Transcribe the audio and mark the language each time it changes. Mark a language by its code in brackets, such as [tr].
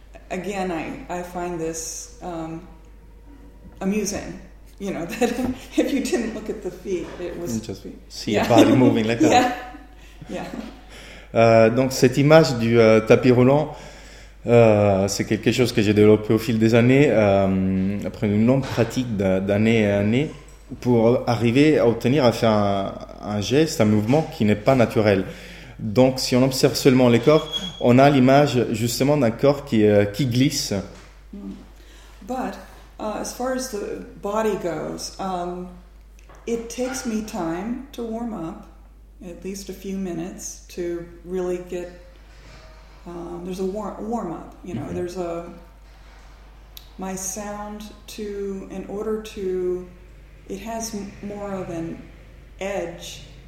[en] Again, I find this amusing, you know, that if you didn't look at the feet, it was... Just see your body moving like that. Yeah. [fr] Donc, cette image du tapis roulant, c'est quelque chose que j'ai développé au fil des années, après une longue pratique d'année et année, pour arriver à obtenir, à faire un geste, un mouvement qui n'est pas naturel. Donc, si on observe seulement les corps, on a l'image justement d'un corps qui glisse. [en] But as far as the body goes, it takes me time to warm up, at least a few minutes to really get. There's a warm up, you know. Mm-hmm. There's a my sound to in order to it has more of an edge.